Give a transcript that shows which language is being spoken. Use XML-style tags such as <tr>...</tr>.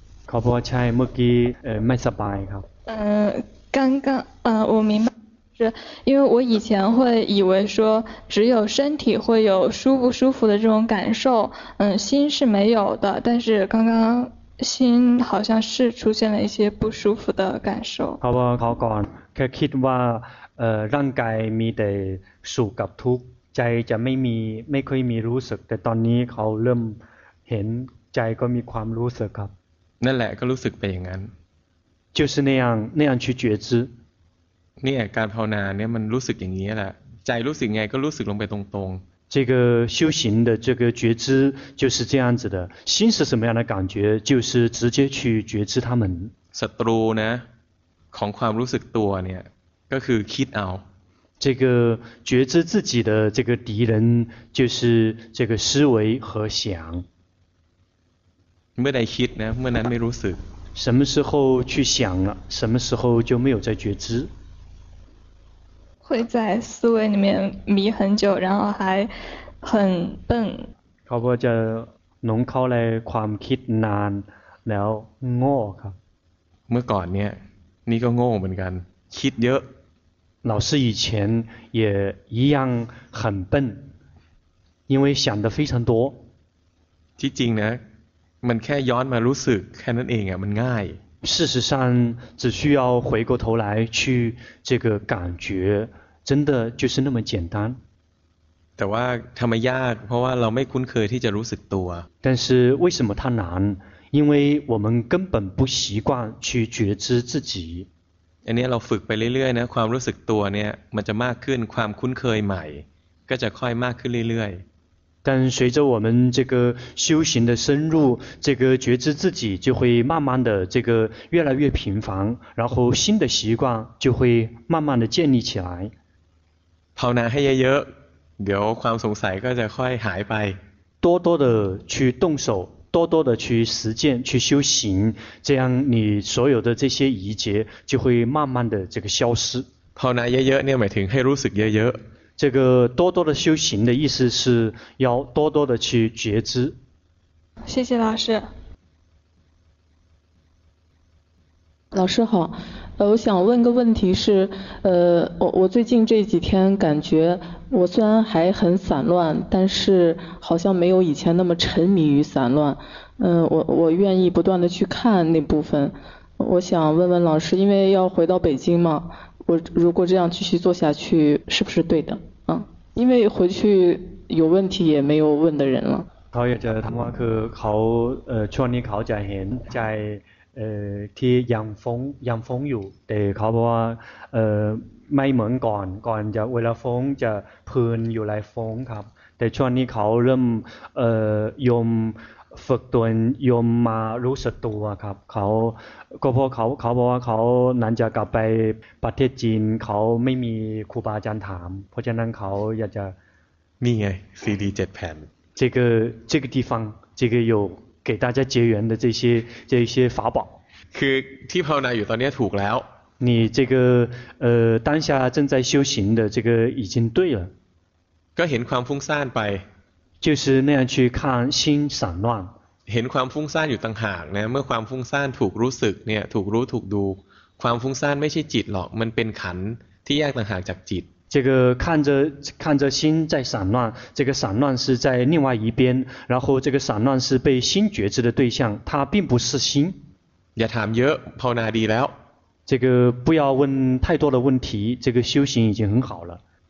<th>ขอบคุณใช่เมื่อกี้ไม่สบายครับ。</th> <zh>刚刚，我明白，是因为我以前会以为说只有身体会有舒不舒服的这种感受，嗯，心是没有的。但是刚刚心好像是出现了一些不舒服的感受。好吧，考考，</zh> <th>แค่คิดว่าร่างกายมีแต่สุขกับทุกข์ใจจะไม่มีไม่เคยมีรู้สึกแต่ตอนนี้เขาเริ่มเห็นใจก็มีความรู้สึกครับ นั่นแหละก็รู้สึกไปอย่างนั้น</th> <zh>就是那样去觉知。</zh> <th>เนี่ยการภาวนาเนี่ยมันรู้สึกอย่างนี้แหละใจรู้สึกไงก็รู้สึกลงไปตรง</th> <zh>ๆ这个修行的这个觉知就是这样子的心是什么样的感觉就是直接去觉知他们</zh> <th>ศัตรูนะของความรู้สึกตัวเนี่ยก็คือคิดเอา</th> <zh>这个觉知自己的这个敌人就是这个思维和想</zh> <th>เมื่อใดคิดนะเมื่อนั้นไม่รู้สึก</th> <zh>什么时候去想了，什么时候就没有在觉知。会在思维里面迷很久，然后还很笨。</zh> <th>เขาบอกจะหลงเข้าในความคิดนานแล้วโง่ครับ。 เมื่อก่อนเนี่ยนี่ก็โง่เหมือนกันคิดเยอะ。</th> <zh>老师以前也一样很笨，因为想的非常多。</zh> <th>ที่จริงนะมันแค่ย้อนมารู้สึกแค่นั้นเองอ่ะมันง่าย</th> <zh>事实上只需要回过头来去这个感觉真的就是那么简单</zh> <th>แต่ว่าทำไมยากเพราะว่าเราไม่คุ้นเคยที่จะรู้สึกตัว</th> <zh>但是为什么它难因为我们根本不习惯去觉知自己</zh> <th>อันนี้เราฝึกไปเรื่อยๆนะความรู้สึกตัวเนี่ยมันจะมากขึ้นความคุ้นเคยใหม่ก็จะค่อยมากขึ้นเรื่อยๆ</th> <zh>但随着我们这个修行的深入这个觉知自己就会慢慢的这个越来越频繁然后新的习惯就会慢慢的建立起来</zh> <th>ภาวนาให้เยอะๆเดี๋ยวความสงสัยก็จะค่อยหายไป</th> <zh>多多的去动手多多的去实践去修行这样你所有的这些疑结就会慢慢的这个消失</zh> <th>ภาวนาเยอะๆเนี่ยหมายถึงให้รู้สึกเยอะๆ</th> <zh>这个多多的修行的意思是要多多的去觉知。谢谢老师。老师好，我想问个问题是，我最近这几天感觉我虽然还很散乱，但是好像没有以前那么沉迷于散乱。我愿意不断的去看那部分。我想问问老师，因为要回到北京嘛，我如果这样继续做下去，是不是对的？因为回去有问题也没有问的人了。</zh> <th>เขาอยากจะถามว่าคือเขาช่วงนี้เขาจะเห็นใจที่ยังฟงอยู่แต่เขาบอกว่าไม่เหมือนก่อนจะเวลาฟงจะพื้นอยู่หลายฟงครับแต่ช่วงนี้เขาเริ่มยอมฝึกตัวยอมมารู้สึกตัวครับเขาก็เพราะเขาบอกว่าเขาหลังจากกลับไปประเทศจีนเขาไม่มีครูบาอาจารย์ถามเพราะฉะนั้นเขาอยากจะ นี่ไงซีดีเจ็ดแผ่น</th> <zh>这个地方这个有给大家结缘的这些法宝</zh> <th>คือที่ภาวนาอยู่ตอนนี้ถูกแล้ว</th> <zh>你这个当下正在修行的这个已经对了</zh> <th>ก็เห็นความฟุ้งซ่านไป</th> <zh>就是那样去看心散乱</zh> <th>เห็นความฟุ้งซ่านอยู่ต่างหากนะเมื่อความฟุ้งซ่านถูกรู้สึกเนี่ยถูกรู้ถูกดูความฟุ้งซ่านไม่ใช่จิตหรอกมันเป็นขันธ์ที่แยกต่างหากจากจิต</th> <zh>这个看着心在散乱这个散乱是在另外一边然后这个散乱是被心觉知的对象它并不是心</zh> <th>อย่าถามเยอะภาวนาดีแล้ว</th> <zh>这个不要问太多的问题这个修行已经很好了</zh>